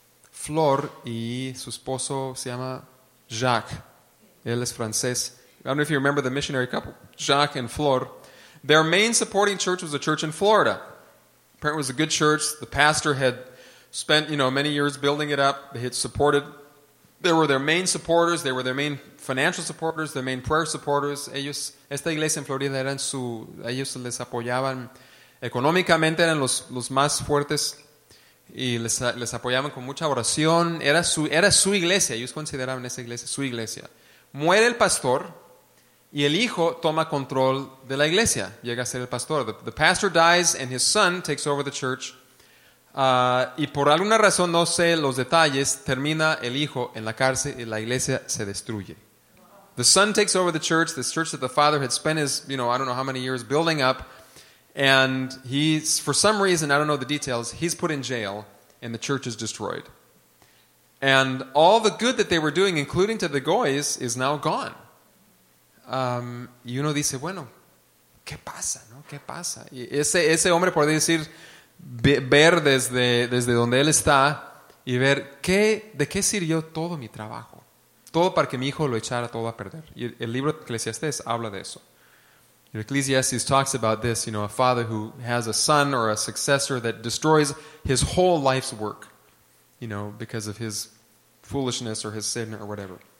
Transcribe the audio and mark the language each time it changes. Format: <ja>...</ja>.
<es>Flor y su esposo se llama Jacques. Él es francés.</es> <en>I don't know if you remember the missionary couple, Jacques and Flor. Their main supporting church was a church in Florida. Apparently it was a good church. The pastor had spent, you know, many years building it up. They had supported. They were their main supporters. They were their main financial supporters, their main prayer supporters.</en> <es>Ellos, esta iglesia en Florida, eran su, ellos les apoyaban económicamente, eran los más fuertes. Y les apoyaban con mucha oración. Era su iglesia. Ellos consideraban esa iglesia su iglesia. Muere el pastor y el hijo toma control de la iglesia. Llega a ser el pastor.</es> <en>The pastor dies and his son takes over the church.</en> <es>Y por alguna razón, no sé los detalles, termina el hijo en la cárcel y la iglesia se destruye.</es> <en>The son takes over the church, this church that the father had spent his, you know, I don't know how many years building up. And he's, for some reason, I don't know the details, he's put in jail and the church is destroyed. And all the good that they were doing, including to the goys, is now gone.</en> <es>Y uno dice, bueno, ¿qué pasa? ¿No? ¿Qué pasa? Y ese hombre puede decir, ver desde donde él está y ver de qué sirvió todo mi trabajo. Todo para que mi hijo lo echara todo a perder. Y el libro Eclesiastes habla de eso.</es> <en>Ecclesiastes talks about this, you know, a father who has a son or a successor that destroys his whole life's work, you know, because of his foolishness or his sin or whatever.</en>